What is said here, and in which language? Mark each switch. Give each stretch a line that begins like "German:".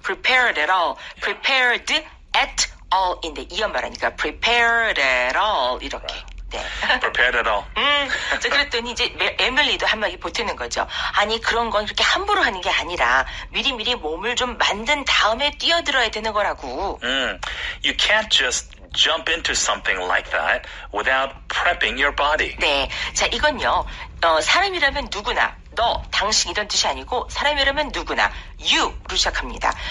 English: Prepared at all. Yeah. Prepared at all
Korean: 인데 이어 말하니까
English: prepared at all 이렇게. Right. 네. Prepared at all.
Korean: 자, 그랬더니 이제 에밀리도 한마디 보태는 거죠. 아니 그런 건 그렇게 함부로 하는 게 아니라 미리미리 몸을 좀 만든 다음에 뛰어들어야 되는 거라고.
English: You can't just jump into something like that without prepping your body.
Korean: 네. 자, 이건요. 사람이라면 누구나 너, 당신 이런 뜻이 아니고 사람이라면 누구나 you로 시작합니다.